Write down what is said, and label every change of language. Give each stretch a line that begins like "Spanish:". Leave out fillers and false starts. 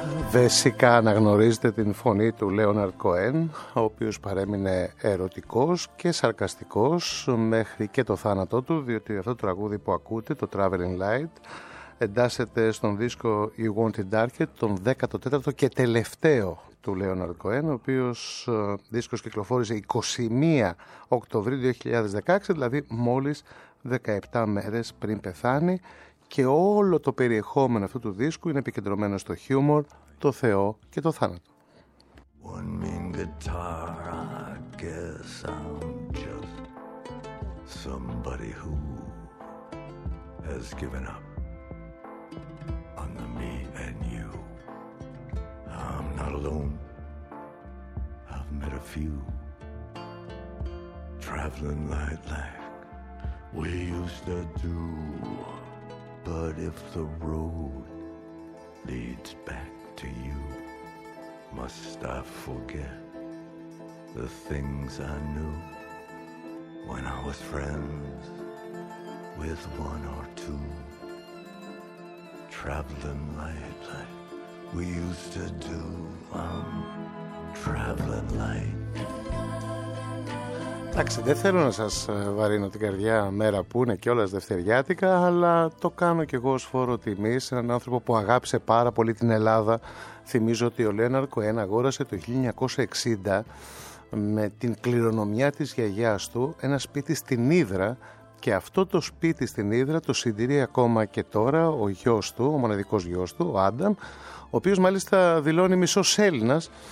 Greek: Βέσικα αναγνωρίζετε την φωνή του Λέοναρντ Κοέν, ο οποίος παρέμεινε ερωτικός και σαρκαστικός μέχρι και το θάνατό του, διότι αυτό το τραγούδι που ακούτε, το Traveling Light, εντάσσεται στον δίσκο You Want It Darker, τον 14ο και τελευταίο του Λέοναρντ Κοέν, ο οποίος δίσκος κυκλοφόρησε 21 Οκτωβρίου 2016, δηλαδή μόλις 17 μέρες πριν πεθάνει, και όλο το περιεχόμενο αυτού του δίσκου είναι επικεντρωμένο στο χιούμορ, το Θεό και το θάνατο.
English: One mean guitar, I guess I'm just somebody who has given up on the me and you. I'm not alone, I've met a few, traveling light like we used to do. But if the road leads back to you, must I forget the things I knew when I was friends with one or two? Traveling light like we used to do. I'm traveling light.
Greek: Εντάξει, δεν θέλω να σας βαρύνω την καρδιά μέρα που είναι και όλα δευτεριάτικα, αλλά το κάνω και εγώ ως φόρο τιμής, έναν άνθρωπο που αγάπησε πάρα πολύ την Ελλάδα. Θυμίζω ότι ο Λέοναρντ Κοέν αγόρασε το 1960 με την κληρονομιά της γιαγιάς του ένα σπίτι στην Ύδρα, και αυτό το σπίτι στην Ύδρα το συντηρεί ακόμα και τώρα ο γιος του, ο μοναδικός γιος του, ο Άνταμ, ο οποίος μάλιστα δηλώνει μισός Έλληνας.